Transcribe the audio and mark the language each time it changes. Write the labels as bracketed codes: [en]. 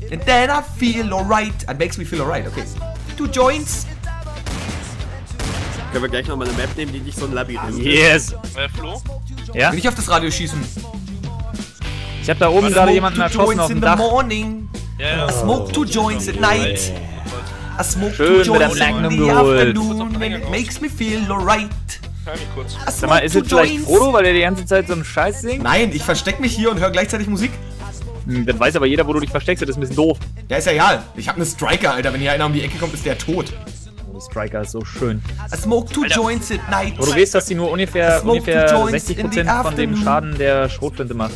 [en] And then I feel alright. It makes me feel alright, okay. Two joints. [de] Können wir gleich noch mal eine Map nehmen, die nicht so ein Labyrinth ist? [en] Yes. [de] Flo? Ja? Will ich auf das Radio schießen? Ich hab da oben gerade jemanden erschossen auf dem Dach. [en] Morning. Yeah. Smoke two joints at night. I smoke two joints in the afternoon when it makes me feel alright. [de] Sag mal, ist jetzt vielleicht Frodo, weil er die ganze Zeit so einen Scheiß singt? Nein, ich versteck mich hier und höre gleichzeitig Musik. Das weiß aber jeder, wo du dich versteckst, das ist ein bisschen doof. Ja, ist ja egal. Ich hab ne Striker, Alter. Wenn hier einer um die Ecke kommt, ist der tot. Oh, Striker ist so schön. [en] I smoke two joints at night. [de] Du weißt, dass sie nur ungefähr 60% von dem Schaden der Schrotflinte macht.